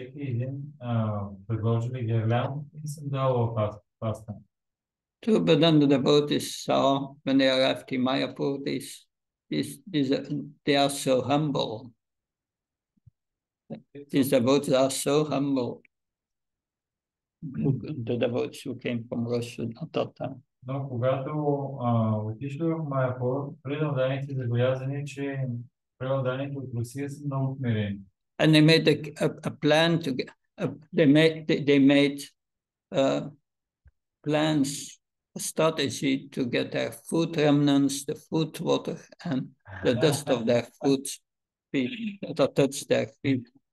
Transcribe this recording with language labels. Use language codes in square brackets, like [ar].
[en] So, but then the devotees saw when they arrived in Mayapur, they are so humble. These devotees are so humble. The devotees who came from Russia at that time. [bg] Но когато отишли в Майапур, преданите забелязани, че преданите от Русия са много смирени. [en] And they made a plan to plans, a strategy to get their food remnants, the food water, and the dust of their food to touch their feet.